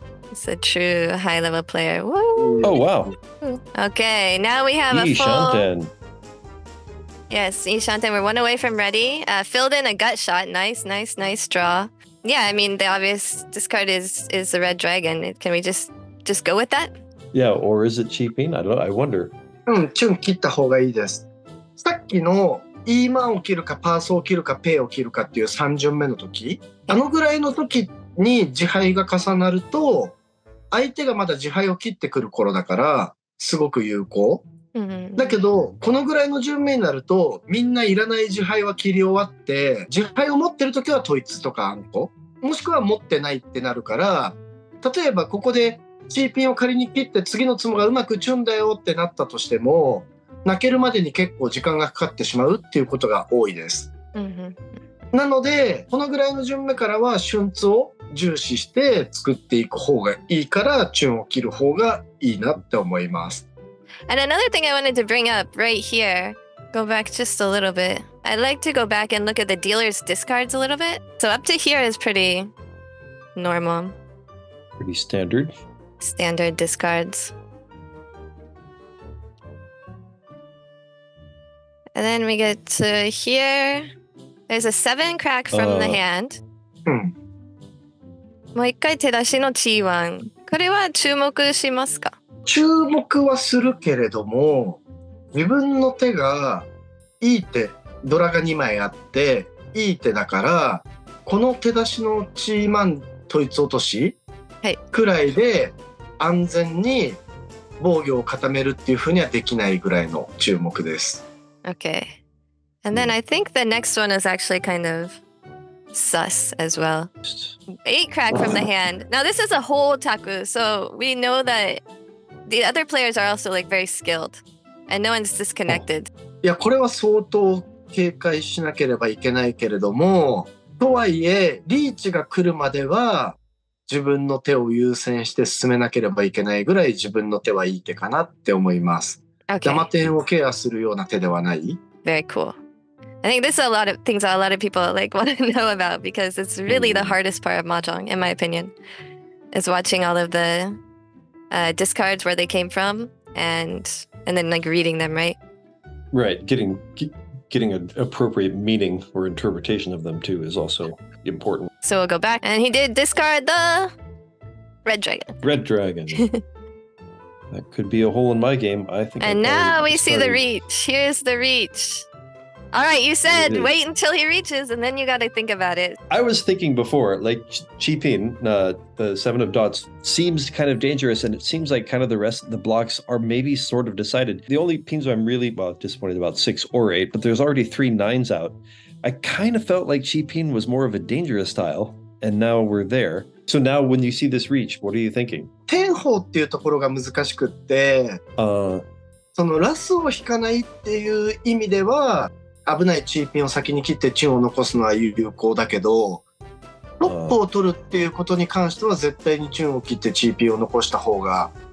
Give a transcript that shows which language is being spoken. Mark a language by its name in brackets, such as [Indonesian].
[English] It's a true high-level player. Woo! Oh, wow. Okay, now we have a full... Shanten. Yes, Ishanten, we're one away from ready. Filled in a gut shot. Nice, nice, nice draw. Yeah, I mean, the obvious discard is the red dragon. Can we just go with that? Yeah, or is it cheaping? I don't know. I wonder. [Japanese] チュン切った方がいいです。さっきのイーマンを切るか、パースを切るか、ペイを切るかっていう三巡目の時、あのぐらいの時に自敗が重なると、相手がまだ自敗を切ってくる頃だから、すごく有効。だけどこのぐらいの順目になるとみんないらない自敗は切り終わって、自敗を持ってる時は統一とかあんこもしくは持ってないってなるから、例えばここでチーピンを仮に切って次のツモがうまくチュンだよってなったとしても、泣けるまでに結構時間がかかってしまうっていうことが多いです。なのでこのぐらいの順目からは瞬ツを重視して作っていく方がいいから、チュンを切る方がいいなって思います。 [English] And another thing I wanted to bring up right here, go back just a little bit. I'd like to go back and look at the dealer's discards a little bit. So up to here is pretty normal. Pretty standard. Standard discards. And then we get to here. There's a seven crack from the hand. [Japanese] もう一回手出しの T1. これは注目しますか? 注目はするけれども、自分の手がいい手、ドラが2枚あっていい手だから、この手出しのチーマン統一落としくらいで安全に防御を固めるっていうふうにはできないぐらいの注目です。 [English] Okay. And then I think the next one is actually kind of sus as well. 8 crack from the hand. Now this is a whole taku, so we know thatThe other players are also like very skilled, and no one's disconnected. [Japanese] いや、これは相当警戒しなければいけないけれども、とはいえリーチが来るまでは自分の手を優先して進めなければいけないぐらい自分の手はいい手かなって思います。ダマテンをケアするような手ではない。 [English] Very cool. I think this is a lot of things that a lot of people like want to know about because it's really the hardest part of Mahjong, in my opinion, is watching all of the. Discards where they came from and then like reading them, right? Right. Getting an appropriate meaning or interpretation of them too is also important. So we'll go back and he did discard the red dragon. Red dragon. That could be a hole in my game. I think. And now we see the reach. Here's the reach. All right. You said wait until he reaches and then you got to think about it. I was thinking before, like Chipin, the seven of dots seems kind of dangerous, and it seems like kind of the rest of the blocks are maybe sort of decided. The only pins I'm really disappointed about six or eight, but there's already three nines out. I kind of felt like Chipin was more of a dangerous style, and now we're there. So now when you see this reach, what are you thinking? [Japanese] Tenhou っていうところが難しくって、そのラスを引かないっていう意味では危ないチーピンを先に切ってチュンを残すのは有効だけど、ロップを取るっていうことに関しては絶対にチュンを切ってチーピンを残した方が